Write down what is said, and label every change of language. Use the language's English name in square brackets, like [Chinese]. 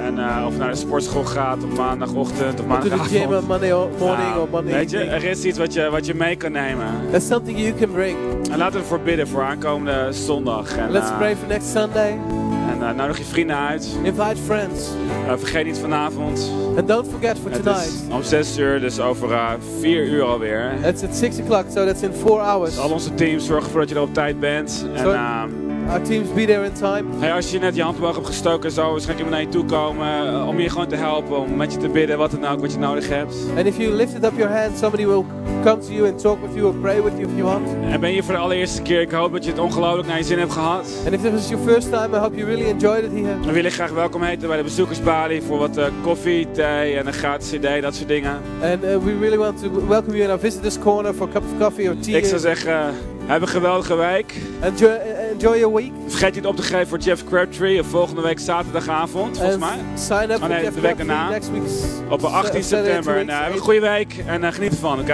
[Dutch] En of naar de sportschool gaat op maandagochtend of maandagavond. [English] To the gym on Monday morning or Monday evening. [Dutch] Weet je, er is iets wat je mee kan nemen. [English] There's something you can bring. [Dutch] En laten we voorbidden voor aankomende zondag. En, [English] let's pray for next Sunday. [Dutch] Nodig je vrienden uit. [English] Invite friends. [Dutch] Vergeet niet vanavond. [English] And don't forget for tonight. [Dutch] Het is om 6:00, dus over 4:00 alweer. [English] It's at 6:00, so that's in 4 hours. [Dutch] Dus al onze teams, zorg ervoor dat je er op tijd bent. [English] So en, our teams be there in time. [Dutch] Hey, als je net je hand omhoog hebt gestoken, zou waarschijnlijk iemand naar je toe komen. Om je gewoon te helpen, om met je te bidden, wat dan ook, wat je nodig hebt. [English] And if you lifted up your hand, somebody will come to you and talk with you or pray with you if you want. [Dutch] En ben je voor de allereerste keer? Ik hoop dat je het ongelooflijk naar je zin hebt gehad. [English] And if this is your first time, I hope you really enjoyed it here. [Dutch] We willen graag welkom heten bij de bezoekersbalie voor wat koffie, thee en een gratis cd, dat soort dingen. [English] And we really want to welcome you in our visitors corner for a cup of coffee or tea. [Dutch] Ik zou zeggen, heb een geweldige week. [English] Enjoy your week. [Dutch] Vergeet niet op te geven voor Jeff Crabtree volgende week zaterdagavond, volgens mij. [English] Sign up for Jeff Crabtree next week. [Dutch] Op 18 september. Heb een goede week en geniet ervan, oké?